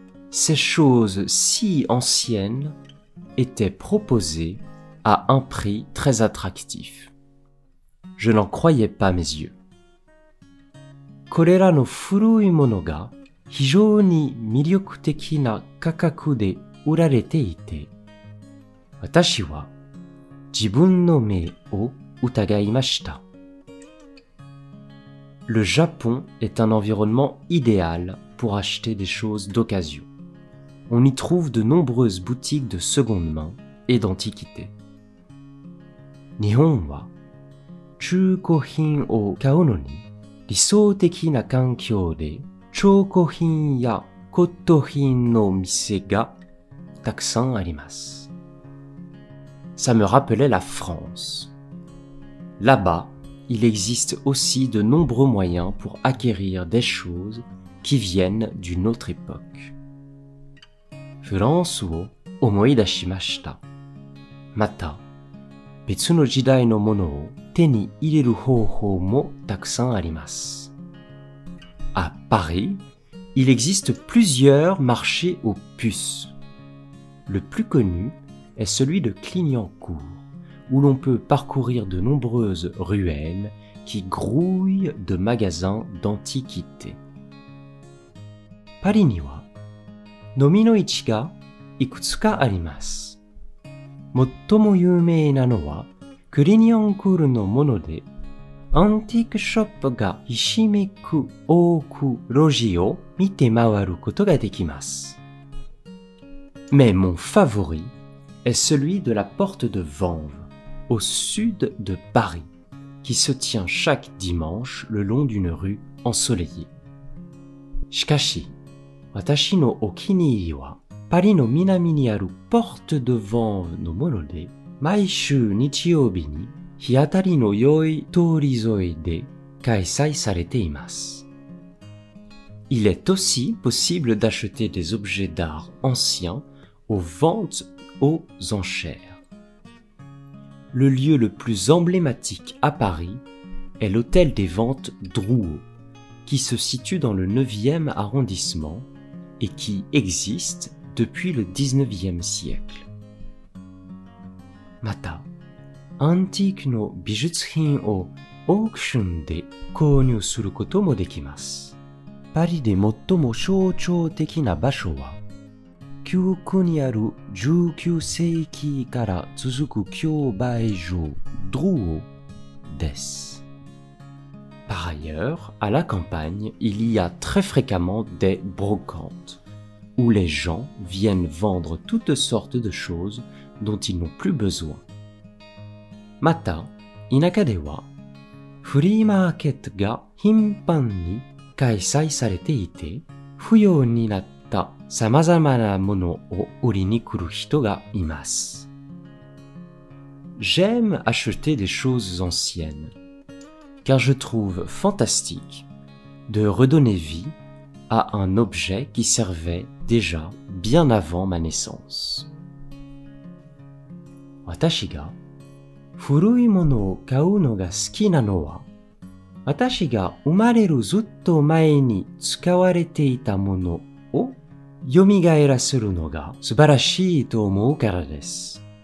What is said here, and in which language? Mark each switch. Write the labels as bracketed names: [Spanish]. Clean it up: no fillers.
[French] Ces choses si anciennes étaient proposées à un prix très attractif. Je n'en croyais pas mes yeux. [Japanese] これらの古いものが非常に魅力的な価格で売られていて、私は自分の目を疑いました。 [French] Le Japon est un environnement idéal pour acheter des choses d'occasion. On y trouve de nombreuses boutiques de seconde main et d'antiquité. [Japanese] 日本は中古品を買うのに理想的な環境で、中古品や骨董品の店がたくさんあります。 [French] ça me rappelait la France. Là-bas, il existe aussi de nombreux moyens pour acquérir des choses qui viennent d'une autre époque. [Japanese] フランスを思い出しました。また、別の時代のものを手に入れる方法もたくさんあります。 [French] À Paris, il existe plusieurs marchés aux puces. Le plus connu est celui de Clignancourt, où l'on peut parcourir de nombreuses ruelles qui grouillent de magasins d'antiquités. [Japanese] パリには飲みの市がいくつかあります。最も有名なのはクリニアンクールのもので、アンティークショップがひしめく大奥路地を見て回ることができます。 [French] Mais mon favori est celui de la porte de Vanves, au sud de Paris, qui se tient chaque dimanche le long d'une rue ensoleillée. [Japanese] しかし、私のお気に入りは、パリの南にあるポートドヴァンヴのもので、毎週日曜日に日当たりの良い通り沿いで開催されています。 [French] Il est aussi possible d'acheter des objets d'art anciens aux ventes aux enchères. Le lieu le plus emblématique à Paris est l'hôtel des ventes Drouot, qui se situe dans le 9e arrondissement et qui existe depuis le 19e siècle. [Japanese] また、アンティークの美術品をオークションで購入することもできます。パリで最も象徴的な場所は、旧区にある19世紀から続く競売所、Drouot です。 [French] Par ailleurs, à la campagne, il y a très fréquemment des brocantes, où les gens viennent vendre toutes sortes de choses dont ils n'ont plus besoin. [Japanese] Mata, 田舎では、フリーマーケットが頻繁に開催されていて、不要になった様々なものを売りに来る人がいます。 [French] J'aime acheter des choses anciennes. Car je trouve fantastique de redonner vie à un objet qui servait déjà bien avant ma naissance. [Japanese] 私が古いものを買うのが好きなのは、私が生まれるずっと前に使われていたものを蘇らせるのが素晴らしいと思うからです。